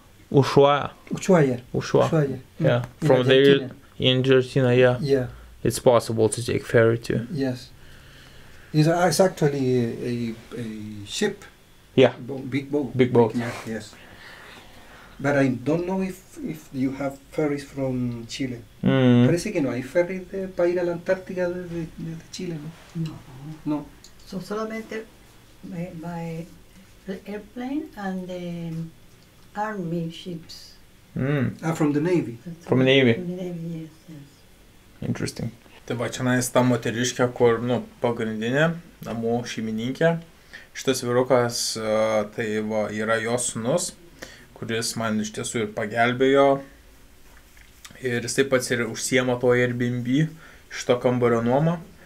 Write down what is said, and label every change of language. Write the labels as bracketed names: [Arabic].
[English] Ushuaia. Yeah, from there in Argentina, yeah. Yeah. It's possible to take ferry too. Yes. It's actually a ship. Yeah. Big boat. Yes. But I don't know if you have ferries from Chile. [Spanish] Parece que no hay ferry para ir a la Antártica desde Chile, ¿no? No. [English] So solamente by airplane and the army ships. From the Navy. From the Navy, yes. Interesting. [Lithuanian] Tai va, čia nais ta moteriškė, kur, nu, pagrindinė, namų šeimininkė. Šitas vyrukas, tai va, yra jos sūnus, kuris man iš tiesų ir pagelbėjo. Ir jis taip pat ir užsiema to Airbnb šito kambario nuomą.